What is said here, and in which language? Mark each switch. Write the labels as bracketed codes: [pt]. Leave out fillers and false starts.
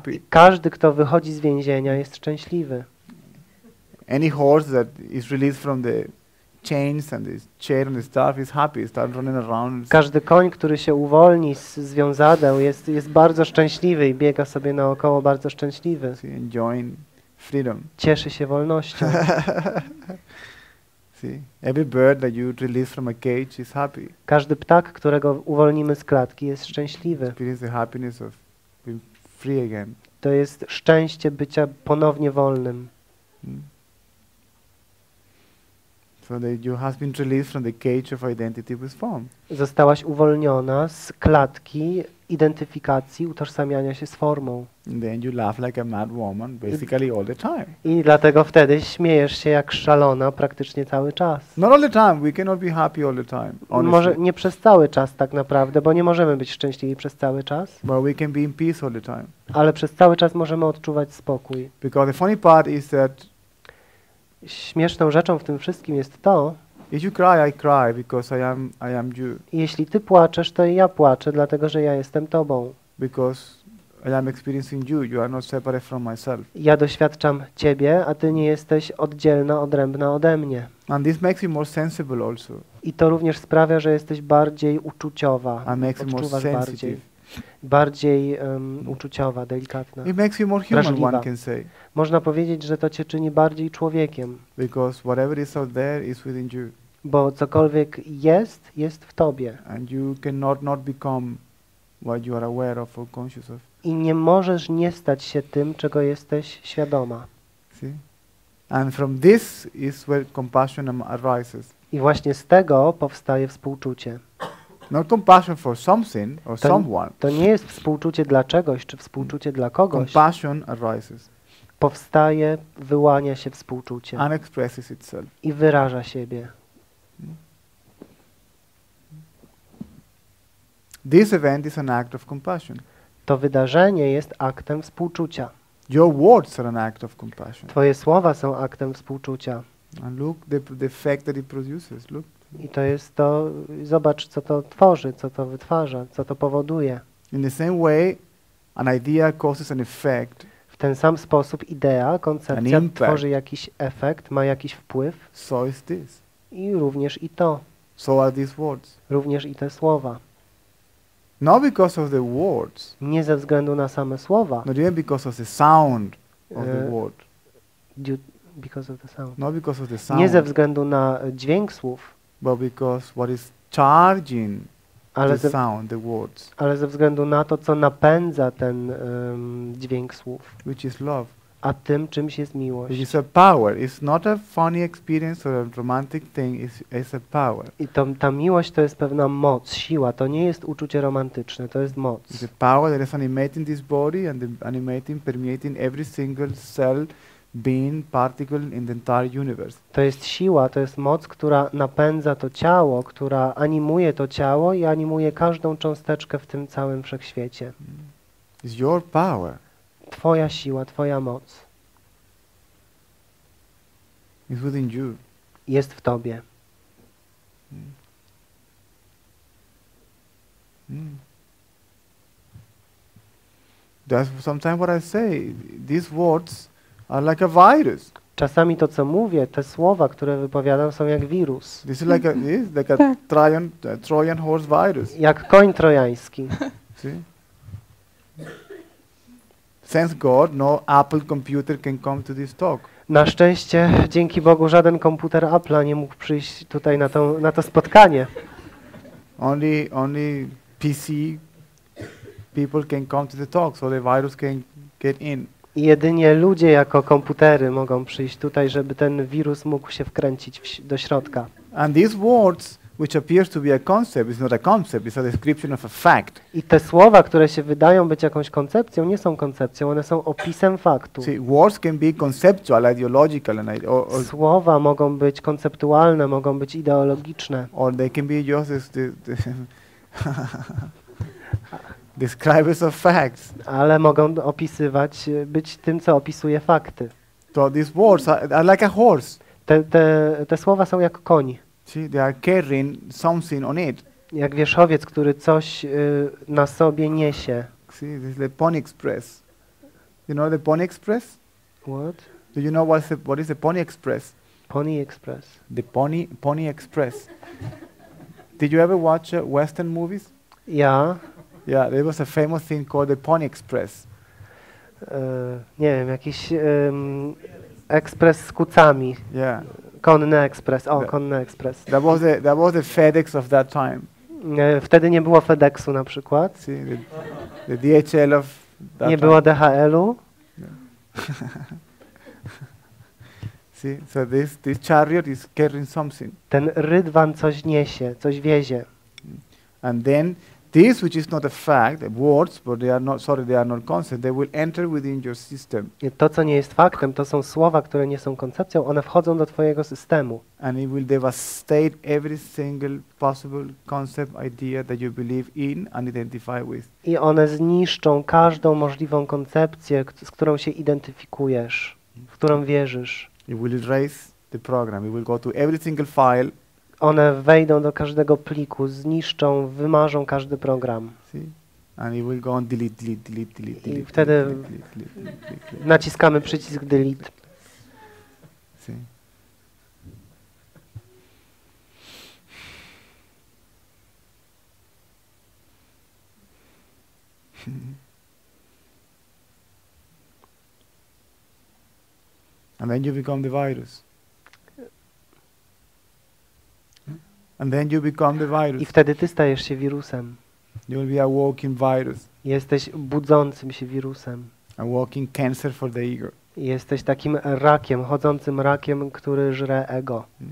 [pl] Każdy, kto wychodzi z więzienia, jest szczęśliwy. [en] Any horse that is released from the chains and the chair and the stuff is happy, start running around. [pl] Każdy koń, który się uwolni z związadeł, jest bardzo szczęśliwy i biega sobie naokoło bardzo szczęśliwy. [en] See, enjoying freedom. [pl] Cieszy się wolnością. [en] See, every bird that you release from a cage is happy. [pl] Każdy ptak, którego uwolnimy z klatki, jest szczęśliwy. [en] Experience the happiness of being free again. [pl] To jest szczęście bycia ponownie wolnym. [en] You have been released from the cage of identity with form. [pl] Zostałaś uwolniona z klatki identyfikacji, utożsamiania się z formą. [en] And then you laugh like a mad woman, basically all the time. [pl] I dlatego wtedy śmiejesz się jak szalona praktycznie cały czas. [en] Not all the time. We cannot be happy all the time. Honestly. [pl] Może nie przez cały czas tak naprawdę, bo nie możemy być szczęśliwi przez cały czas. [en] But we can be in peace all the time. [pl] Ale przez cały czas możemy odczuwać spokój. [en] Because the funny part is that. [pl] Śmieszną rzeczą w tym wszystkim jest to, [en] if you cry, I cry because I am you. [pl] Jeśli ty płaczesz, to i ja płaczę, dlatego że ja jestem tobą. [en] Because I am experiencing you, you are not separate from myself. [pl] Ja doświadczam ciebie, a ty nie jesteś oddzielna, odrębna ode mnie. [en] And this makes you more sensible also. [pl] I to również sprawia, że jesteś bardziej uczuciowa. [en] And makes you more sensitive. [pl] Bardziej. Bardziej uczuciowa, delikatna. [en] It makes you more human, [pl] wrażliwa. [en] One can say. [pl] Można powiedzieć, że to cię czyni bardziej człowiekiem. [en] Because whatever is out there is within you. [pl] Bo cokolwiek jest, jest w tobie. [en] And you cannot not become what you are aware of or conscious of. [pl] I nie możesz nie stać się tym, czego jesteś świadoma. [en] See? And from this is where compassion arises. [pl] I właśnie z tego powstaje współczucie. [en] Not compassion for something or someone. [pl] To nie jest współczucie dla czegoś czy współczucie dla kogoś. [en] Compassion arises. [pl] Powstaje, wyłania się współczucie. [en] And expresses itself. [pl] I wyraża siebie. [en] This event is an act of compassion. [pl] To wydarzenie jest aktem współczucia. [en] Your words are an act of compassion. [pl] Twoje słowa są aktem współczucia. [en] And look the effect that it produces. Look. [pl] I to jest to, zobacz, co to tworzy, co to wytwarza, co to powoduje. [en] In the same way, an idea causes an effect. [pl] W ten sam sposób idea, koncepcja tworzy jakiś efekt, ma jakiś wpływ. [en] So is this. [pl] I również i to. [en] So are these words. [pl] Również i te słowa. [en] Not because of the words. [pl] Nie ze względu na same słowa. [en] Not even because of the sound of the word. Because of the sound. Not because of the sound. [pl] Nie ze względu na dźwięk słów. [en] But because what is charging the sound, the words. [pl] Ale ze względu na to, co napędza ten dźwięk słów. [en] Which is love. [pl] A tym czymś jest miłość. [en] Which is a power. It's not a funny experience or a romantic thing. It's a power. [pl] I ta miłość to jest pewna moc, siła. To nie jest uczucie romantyczne. To jest moc. [en] It's a power that is animating this body and animating, permeating every single cell being particle in the entire universe. [pl] To jest siła, to jest moc, która napędza to ciało, która animuje to ciało i animuje każdą cząsteczkę w tym całym wszechświecie. [en] It's your power. [pl] Twoja siła, twoja moc. [en] It's within you. [pl] Jest w tobie. [en] That's sometimes what I say. These words are like a virus. [pl] Czasami to, co mówię, te słowa, które wypowiadam, są jak wirus. [en] This is like a Trojan horse virus. [pl] Jak koń trojański. [en] See? Thank God, no Apple computer can come to this talk. [pl] Na szczęście, dzięki Bogu, żaden komputer Apple nie mógł przyjść tutaj na to spotkanie. [en] Only PC people can come to the talk, so the virus can get in. [pl] Jedynie ludzie jako komputery mogą przyjść tutaj, żeby ten wirus mógł się wkręcić do środka. [en] And these words, which appears to be a concept, is not a concept, it's a description of a fact. [pl] I te słowa, które się wydają być jakąś koncepcją, nie są koncepcją, one są opisem faktu. [en] See, words can be conceptual, ideological, and [pl] słowa mogą być konceptualne, mogą być ideologiczne. [en] Or they can be just the describers of facts. [pl] Ale mogą opisywać, być tym, co opisuje fakty. [en] So these words are like a horse. [pl] Te słowa są jak koń. [en] See, they are carrying something on it. [pl] Jak wierzchowiec, który coś na sobie niesie. [en] See, this is the Pony Express. You know the Pony Express? What? Do you know what is the Pony Express? Pony Express. The Pony Express. Did you ever watch Western movies? Yeah. Yeah, there was a famous thing called the Pony Express. [pl] Nie wiem, jakiś ekspres z kucami. [en] Yeah. [pl] Konny ekspres. Konny ekspres. [en] That was the FedEx of that time. [pl] Wtedy nie było FedExu na przykład. [en] See, the DHL of that [pl] nie [en] time. [pl] Było DHL-u. [en] Yeah. See, so this chariot is carrying something. [pl] Ten rydwan coś niesie, coś wiezie. [en] And then this, which is not a fact, the words, but they are not concepts, they will enter within your system. [pl] To, co nie jest faktem, to są słowa, które nie są koncepcją, one wchodzą do twojego systemu. [en] And it will devastate every single possible concept, idea that you believe in and identify with. [pl] I one zniszczą każdą możliwą koncepcję, z którą się identyfikujesz, w którą wierzysz. [en] It will erase the program, it will go to every single file. [pl] One wejdą do każdego pliku, zniszczą, wymarzą każdy program. [en] And it will go on delete, delete, delete, delete. [pl] I wtedy delete. Naciskamy przycisk delete. [en] And then you become the virus. And then you become the virus. [pl] I wtedy ty stajesz się wirusem. [en] You will be a walking virus. [pl] Jesteś budzącym się wirusem. [en] A walking cancer for the ego. [pl] Jesteś takim rakiem, chodzącym rakiem, który żre ego.